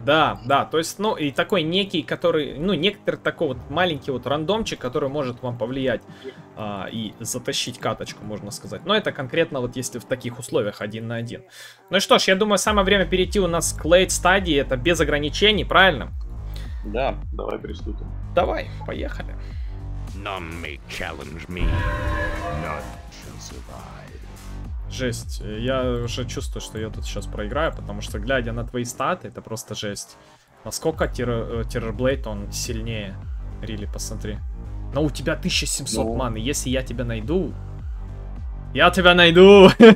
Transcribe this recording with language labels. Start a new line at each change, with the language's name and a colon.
Russian: Да, да, то есть, ну, и такой некий, который, ну, некоторый такой вот маленький вот рандомчик, который может вам повлиять и затащить каточку, можно сказать. Но это конкретно вот если в таких условиях один на один. Ну что ж, я думаю, самое время перейти у нас к late стадии, это без ограничений, правильно? Да, давай приступим. Давай, поехали.
English: None may challenge me, none shall survive.
Russian: Жесть, я уже чувствую, что я тут сейчас проиграю, потому что, глядя на твои статы, это просто жесть. Насколько Террорблейд он сильнее, Рилли, посмотри. Но у тебя 1700 маны, если я тебя найду... Я тебя найду!